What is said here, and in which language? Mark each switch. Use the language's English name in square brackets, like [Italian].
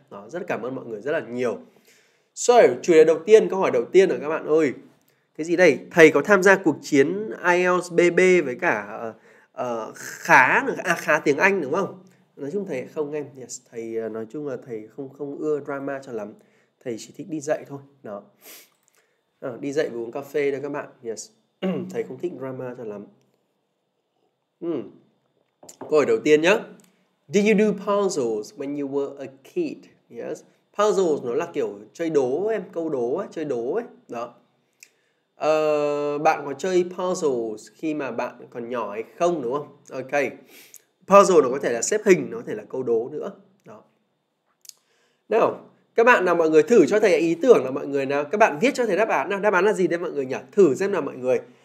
[Vietnamese] Đó, rất cảm ơn mọi người rất là nhiều. So, chủ đề đầu tiên, câu hỏi đầu tiên là các bạn ơi, cái gì đây, thầy có tham gia cuộc chiến IELTS BB với cả khá tiếng Anh đúng không? Nói chung thầy không em, yes, thầy nói chung là thầy không ưa drama cho lắm, thầy chỉ thích đi dạy thôi. Đó, đi dạy và uống cà phê đó các bạn. Yes. Thầy không thích drama cho lắm. Câu hỏi đầu tiên nhé. [English] Did you do puzzles when you were a kid? Yes. [Vietnamese] Puzzles nó là kiểu chơi đố em, câu đố ấy, chơi đố ấy. Đó. Bạn có chơi puzzles khi mà bạn còn nhỏ hay không đúng không? Ok. Puzzle nó có thể là xếp hình, nó có thể là câu đố nữa. Đó. Nào, các bạn nào mọi người thử cho thầy ý tưởng là mọi người nào, các bạn viết cho thầy đáp án nào, đáp án là gì đây mọi người nhỉ? Thử xem nào mọi người.